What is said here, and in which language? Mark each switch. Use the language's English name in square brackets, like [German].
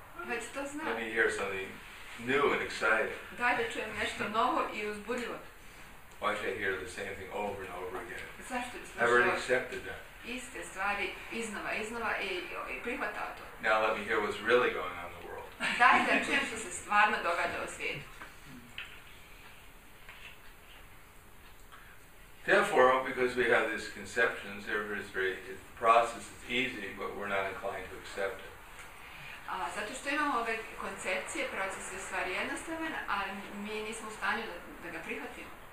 [Croatian] Već to znam. [English] Let me hear something new and exciting. [Croatian] Daj da čujem nešto novo i uzbudljivo. [English] Why should I hear the same thing over and over again? [Croatian] Zašto? [English] I've already accepted that. [Croatian] Iste stvari iznova i prihvatao to. [English] Now let me hear what's really going on in the world. [Croatian] Daj da čujem što se stvarno događa u svijetu. [English] Therefore, because we have these conceptions, the process is easy, but we're not inclined to accept it. [Croatian] Zato što imamo ove koncepcije, proces je stvari jednostavan, ali mi nismo u stanju da ga prihvatimo.